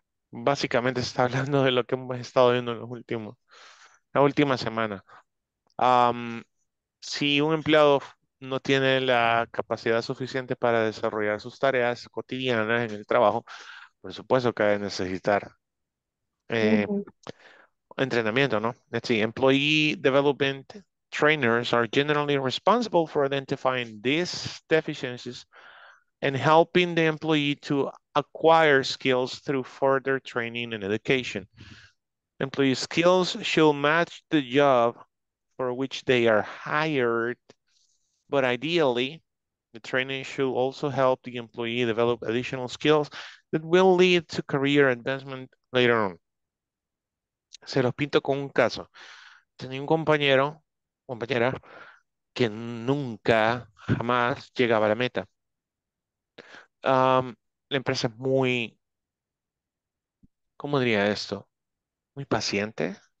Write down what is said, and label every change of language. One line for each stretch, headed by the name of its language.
Spanish: Básicamente está hablando de lo que hemos estado viendo en la última semana. Si un empleado no tiene la capacidad suficiente para desarrollar sus tareas cotidianas en el trabajo, por supuesto que debe necesitar entrenamiento, ¿no?
English: Let's see. Employee development trainers are generally responsible for identifying these deficiencies and helping the employee to acquire skills through further training and education. Employee skills should match the job for which they are hired. But ideally, the training should also help the employee develop additional skills that will lead to career advancement later on.
Spanish: Se los pinto con un caso. Tenía un compañero, compañera, que nunca, jamás llegaba a la meta. La empresa es muy, ¿cómo diría esto? Muy paciente.